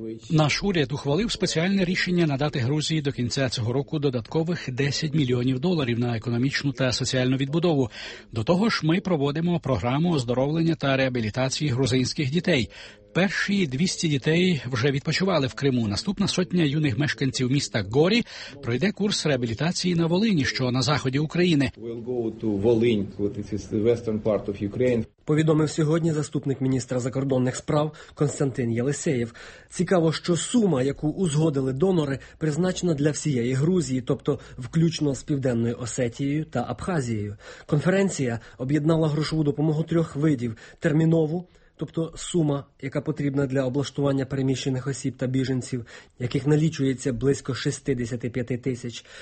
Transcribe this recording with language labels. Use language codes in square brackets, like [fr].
[uk] Наш уряд ухвалив спеціальне рішення надати Грузії до кінця цього року додаткових 10 мільйонів доларів на економічну та соціальну відбудову. До того ж, ми проводимо програму оздоровлення та реабілітації грузинських дітей. Перші 200 дітей вже відпочивали в Криму. Наступна сотня юних мешканців міста Горі пройде курс реабілітації на Волині, що на заході України. [en] We'll go to Volynь, this is the western part of Ukraine. [uk] Повідомив сьогодні заступник міністра закордонних справ Костянтин Єлисеєв. Цікаво, що сума, яку узгодили донори, призначена для всієї Грузії, тобто включно з Південною Осетією та Абхазією. Конференція об'єднала грошову допомогу 3 видів – термінову, тобто сума, яка потрібна для облаштування переміщених осіб та біженців, яких налічується близько 65 тисяч.